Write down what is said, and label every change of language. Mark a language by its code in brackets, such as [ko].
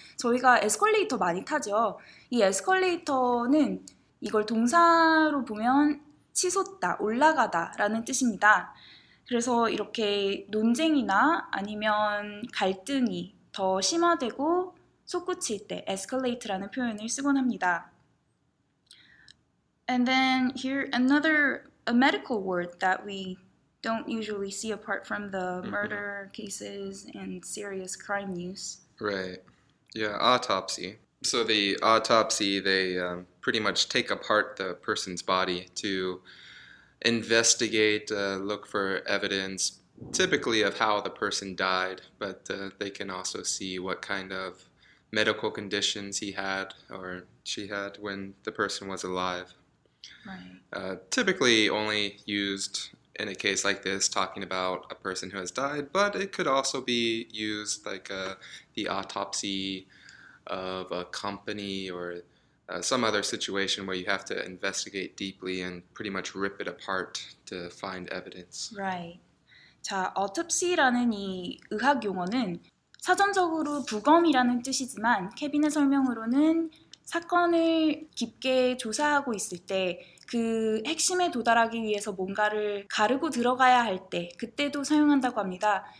[ko] 저희가 escalator 많이 타죠. 이 escalator는 이걸 동사로 보면 치솟다, 올라가다 라는 뜻입니다. 그래서 이렇게 논쟁이나 아니면 갈등이 더 심화되고 솟구칠 때 escalate라는 표현을 쓰곤 합니다. [en] And then here another a medical word that we don't usually see apart from the murder cases and serious crime news. Right. Yeah, autopsy. So the autopsy, they pretty much take apart the person's body to investigate, look for evidence, typically of how the person died, but they can also see what kind of medical conditions he had or she had when the person was alive. Right. Typically only used in a case like this, talking about a person who has died, but it could also be used like the autopsy of a company or some other situation where you have to investigate deeply and pretty much rip it apart to find evidence. Right. [ko] 자, autopsy라는 이 의학 용어는 사전적으로 부검이라는 뜻이지만 케빈의 설명으로는 사건을 깊게 조사하고 있을 때 그 핵심에 도달하기 위해서 뭔가를 가르고 들어가야 할 때 그때도 사용한다고 합니다.